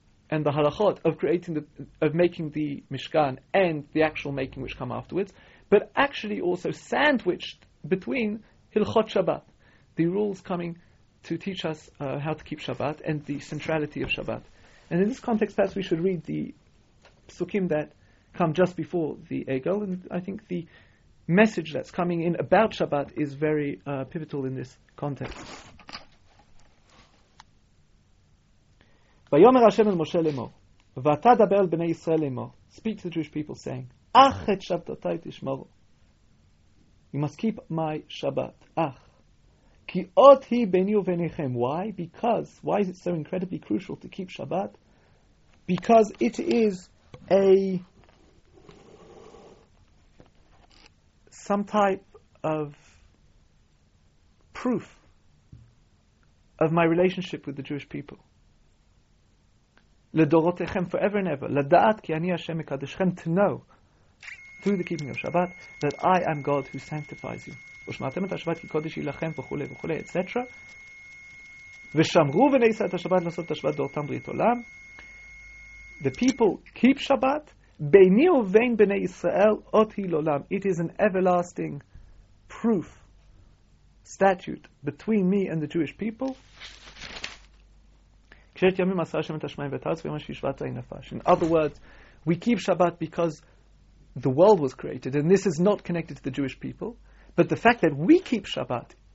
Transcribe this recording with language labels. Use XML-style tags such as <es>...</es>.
<en>and the halachot of creating of making the Mishkan and the actual making which come afterwards, but actually also sandwiched between Hilchot Shabbat, the rules coming to teach us how to keep Shabbat and the centrality of Shabbat. And in this context, perhaps we should read the psukim that come just before the Egel, and I think the message that's coming in about Shabbat is very pivotal in this context.</en> <he>ויאמר השם אל משה לאמור, ואתה דבר אל בני ישראל לאמור,</he> <en>speak to the Jewish people saying,</en> <he>אך את שבתותי תשמרו,</he> <en>you must keep my Shabbat,</en> <he>אך, כי אות היא ביני וביניכם,</he> <en>why? Because, why is it so incredibly crucial to keep Shabbat? Because it is a, some type of proof of my relationship with the Jewish people.</en> <he>לדורותיכם</he> <en>forever and ever,</en> <he>לדעת כי אני השם מקדשכם,</he> <en>to know, through the keeping of Shabbat, that I am God who sanctifies you.</en> <he>ושמעתם את השבת כי קודש היא לכם וכו' וכו', etc. ושמרו ונעשה את השבת לעשות את השבת דורתם ברית עולם.</he> <en>The people keep Shabbat,</en> <he>ביני ובין בני ישראל, אות היא לעולם.</he> <en>It is an everlasting proof, statute, between me and the Jewish people. In other words, we keep Shabbat because the world was created, and this is not connected to the Jewish people, but the fact that we keep Shabbat,</en>